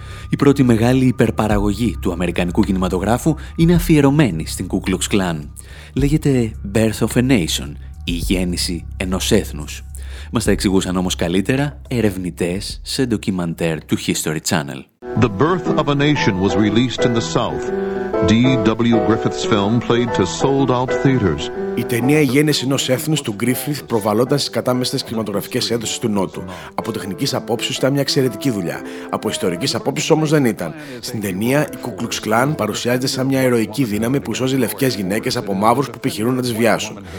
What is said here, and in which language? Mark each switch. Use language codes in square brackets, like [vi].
[el] Η πρώτη μεγάλη υπερπαραγωγή του αμερικανικού κινηματογράφου είναι αφιερωμένη στην Ku Klux Klan. Λέγεται «Birth of a Nation», «Η γέννηση ενός έθνους». Μας τα εξηγούσαν όμως καλύτερα ερευνητές σε ντοκιμαντέρ του History Channel. [en] The Birth of a Nation was released in the South. D.W. Griffith's film played to sold-out theaters. [el] Η ταινία «Η γέννηση ενός έθνους» του Griffith προβαλόταν στις κατάμεστες κινηματογραφικές έντοσες του Νότου. Από τεχνικής απόψης ήταν μια εξαιρετική δουλειά. Από ιστορικής απόψης όμως δεν ήταν. Στην ταινία, η Ku Klux Klan παρουσιάζεται σαν μια ηρωική δύναμη που σώζει λευκές γυναίκες από μαύρους που επιχειρούν να τις βιάσουν.